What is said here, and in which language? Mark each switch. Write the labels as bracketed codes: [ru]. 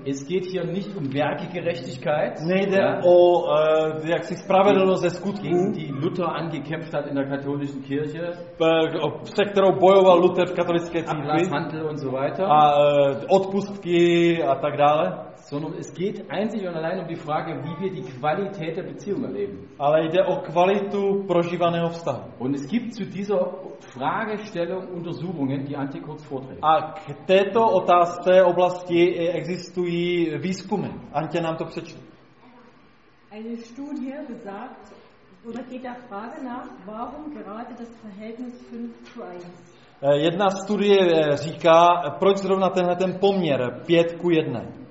[de] Es geht hier nicht um Werkegerechtigkeit. [cs] Nejde o jaksi spravedlnost ze skutků, [de] die Luther angekämpft hat in der katholischen Kirche. [cs] Se kterou bojoval Luther v katolické církvi. [de] Ablasshandel und so weiter. [cs] A odpustky a tak dále. [de] Sondern es geht einzig und allein um die Frage, wie wir die Qualität der Beziehung erleben. [cs] Ale jde o kvalitu prožívaného vztahu. [de] Und es gibt zu dieser Fragestellung Untersuchungen, die Antje kurz vorträgt. [cs] A k této otázce oblasti existují výzkumy. Antje nám to přečte. [de] Eine Studie besagt, oder geht der Frage nach, warum gerade das Verhältnis 5:1. [cs] Jedna studie říká, proč zrovna tenhle ten poměr 5:1.